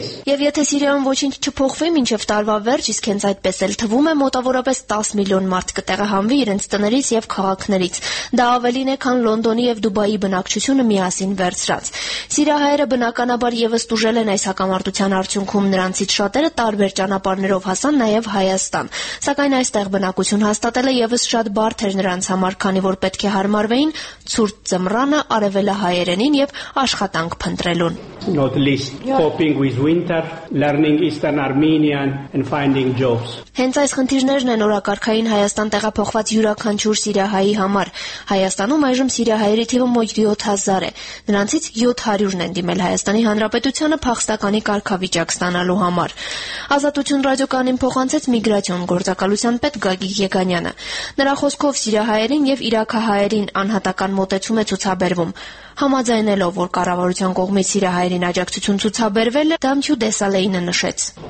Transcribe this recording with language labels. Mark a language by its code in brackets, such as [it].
[hy] Եվ եթե Սիրիան ոչինչ չփոխվի մինչև տարվա վերջ, իսկ հենց այդպես էլ թվում է, մոտավորապես 10 միլիոն մարդ կտեղահանվի իրենց տներից և քաղաքներից, դա ավելին է, քան Լոնդոնի և Դուբայի բնակչությունը միասին վերցրած։ Սիրահայերը բնականաբար ևս տուժել են այս հակամարտության արդյունքում, նրանցից շատերը տարբեր ճանապարհ ներով հասան նաև Հայաստան, սակայն այստեղ բնակություն հաստատելը ևս շատ բարդ էր նրանց համար, քանի որ պետք է հարմարվեին ցուրտ ձմռանը, արևելահայերենին և աշխատանք փնտրելուն։ [en] not least coping with winter, learning Eastern Armenian and finding jobs. [hy] Հենց այս խնդիրներն են օրակարգային Հայաստան տեղափոխված յուրաքանչյուր սիրահայի համար։ Հայաստանում այժմ սիրահայերի թիվը մոտ 7000 է, նրանցից 700-ն են դիմել Հայաստանի Հանրապետությանը փախստականի կարգավիճակ ստանալու համար։ Ազատություն ռադիոկանին փոխանցեց միգրացիոն գործակալության պետ Գագիկ Եգանյանը։ Նրա խոսքով սիրահայերին եւ իրաքահայերին անհատական մոտեցում է ցուցաբերվում։ Համաձայնելով, որ կառավարության կողմից սիրահայերին աջակցություն ցուցաբերվել է, Դամչու Դեսալեինը նշեց.